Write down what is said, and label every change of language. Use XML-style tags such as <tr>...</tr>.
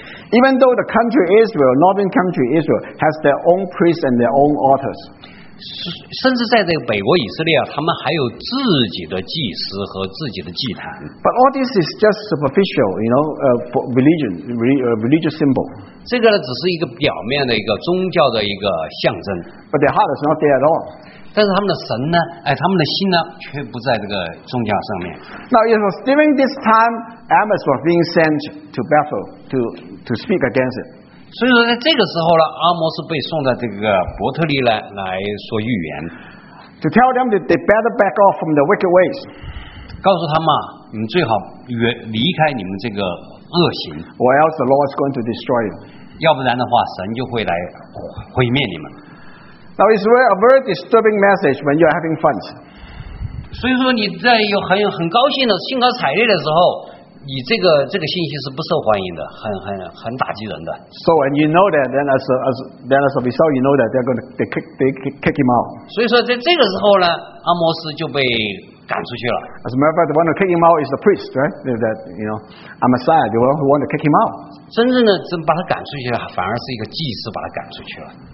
<en>Even though the country Israel, northern country Israel, has their own priests and their own altars.</en> <zh>甚至在这个北国以色列，他们还有自己的祭司和自己的祭坛。</zh> <en>But all this is just superficial, you know, religion, religious symbol.</en> <zh>这个只是一个表面的一个宗教的一个象征。</zh> <en>But their heart is not there at all.</en> <zh>但是他们的神呢，他们的心呢，却不在这个宗教上面。</zh> <en>Now it was during this time, Amos was being sent to Bethel to speak against it.</en> <zh>所以说在这个时候呢，阿摩是被送到这个伯特利来说预言。</zh> <en>To tell them that they better back off from the wicked ways.</en> <zh>告诉他们，你们最好离开你们这个。恶行</zh> <en>or else the Lord is going to destroy you.</en> <zh>要不然的话，神就会来毁灭你们。</zh> <en>Now it's a very disturbing message when you are having fun.</en> <zh>所以说你在有很高兴的、兴高采烈的时候，你这个信息是不受欢迎的，很打击人的。</zh> <en>So and you know that, then as a result, you know that they're going to they kick him out.</en> <zh>所以说在这个时候呢，阿摩斯就被。赶出去了。</zh> <en>As a matter of fact, the one who kicked him out is the priest, right? That you know, a Messiah, the one who wanted to kick him out.</en> <zh>真正的真把他赶出去了，反而是一个祭司把他赶出去了。</zh>